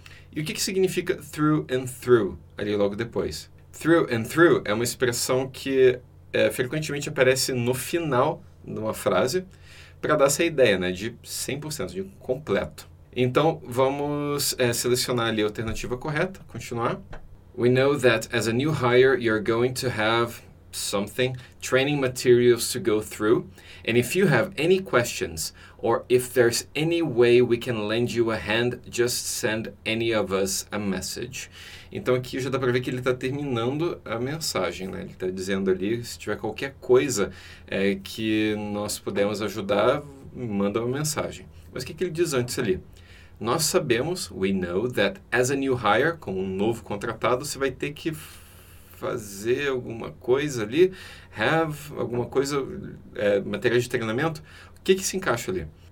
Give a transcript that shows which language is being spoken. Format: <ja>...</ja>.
<pt>E o que, que significa</pt> <en>through and through</en> <pt>ali logo depois?</pt> <en>Through and through</en> <pt>é uma expressão que frequentemente aparece no final de uma frase para dar essa ideia, né, de 100%, de completo. Então, vamos selecionar ali a alternativa correta, continuar.</pt> <en>We know that as a new hire, you're going to have something, training materials to go through. And if you have any questions, or if there's any way we can lend you a hand, just send any of us a message.</en> <pt>Então, aqui já dá para ver que ele está terminando a mensagem, né? Ele está dizendo ali, se tiver qualquer coisa que nós pudermos ajudar, me manda uma mensagem. Mas o que, que ele diz antes ali? Nós sabemos,</pt> <en>we know that as a new hire,</en> <pt>com um novo contratado, você vai ter que fazer alguma coisa ali, have alguma coisa, material de treinamento. O que, que se encaixa ali?</pt>